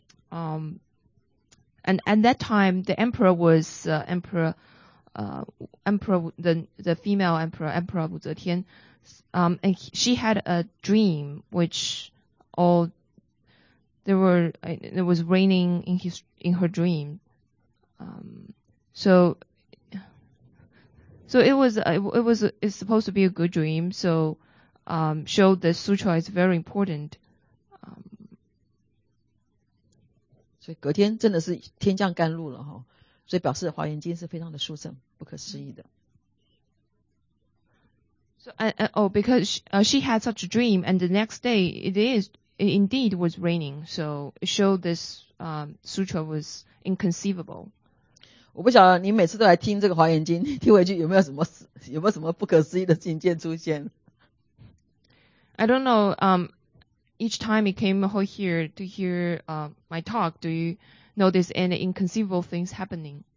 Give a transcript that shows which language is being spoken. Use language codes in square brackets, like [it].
[en] And at that time, the emperor was, the female emperor, Wu Zetian, and she had a dream, it was raining in her dream. It's supposed to be a good dream, so show the sutra is very important. [zh] 所以隔天真的是天降甘露了，所以表示华严经是非常的殊胜，不可思议的。 [en] Because she had such a dream, and the next day it indeed was raining, so show this sutra was inconceivable. [zh] 我不晓得你每次都来听这个华严经，听回去有没有什么不可思议的境界出现 [en] ？I don't know. Each time you came over here to hear my talk, do you notice any inconceivable things happening?